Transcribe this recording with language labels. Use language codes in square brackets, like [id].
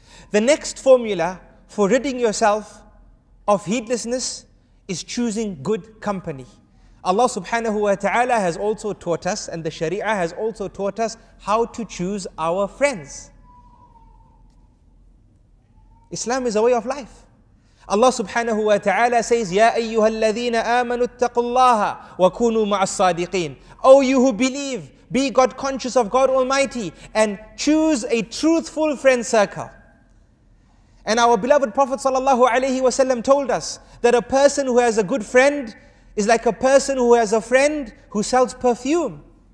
[en] The next formula for ridding yourself of heedlessness is choosing good company. Allah subhanahu wa ta'ala has also taught us, and the Sharia has also taught us, how to choose our friends. Islam is a way of life. Allah subhanahu wa ta'ala says, [ar] يَا أَيُّهَا الَّذِينَ آمَنُوا اتَّقُوا اللَّهَ وَكُونُوا مَعَ الصَّادِقِينَ. [en] O you who believe, be God conscious of God Almighty and choose a truthful friend circle. And our beloved Prophet sallallahu alayhi wa sallam told us that a person who has a good friend is like a person who has a friend who sells perfume.